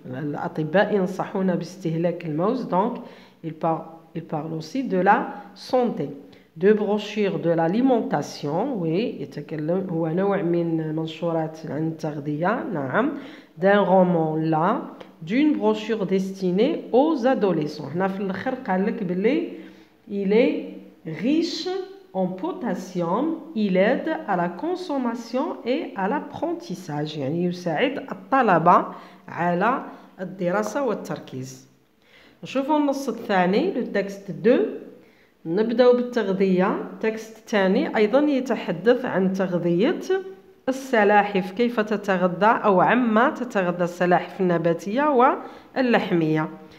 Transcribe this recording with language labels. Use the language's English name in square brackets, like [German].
[Arabic] الأطباء ينصحونا باستهلاك الموز. [French] Donc, il parle aussi de la santé. De brochures de l'alimentation, oui, [Arabic] يتكلم هو نوع من منشورات عن التغذية, نعم. [French] D'un roman, là. D'une brochure destinée aux adolescents. [Arabic] هنا في الاخر قال لك بلي [French] il est riche en potassium, il aide à la consommation et à l'apprentissage. [Arabic] يعني يساعد الطلبة على الدراسة والتركيز. نشوفوا النص الثاني, [French] le texte 2. [Arabic] نبدأ بالتغذية. تكست تاني أيضا يتحدث عن تغذية السلاحف, كيف تتغذى أو عما تتغذى السلاحف النباتية واللحمية.